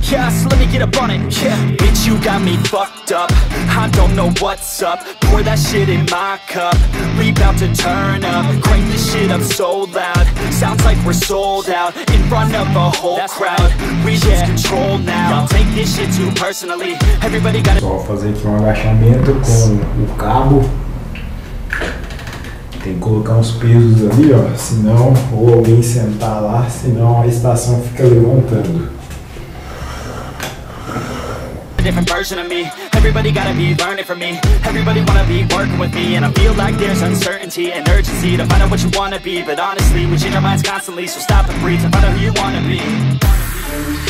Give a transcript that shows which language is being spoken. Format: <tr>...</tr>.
<en>Yeah, so let me get up on it. Yeah, bitch, you got me fucked up. I don't know what's up. Pour that shit in my cup. We bout to turn up. Crank this shit up so loud. Sounds like we're sold out in front of a whole crowd. We just control now. Don't take this shit too personally. Everybody got it.</en> <pt>Vou fazer aqui um agachamento com o cabo. Tem que colocar uns pesos ali, ó. Senão, ou alguém sentar lá, senão a estação fica levantando.</pt> <en>A different version of me. Everybody gotta be learning from me. Everybody wanna be working with me. And I feel like there's uncertainty and urgency to find out what you wanna be. But honestly, we change our minds constantly. So stop and breathe and find out who you wanna be.</en>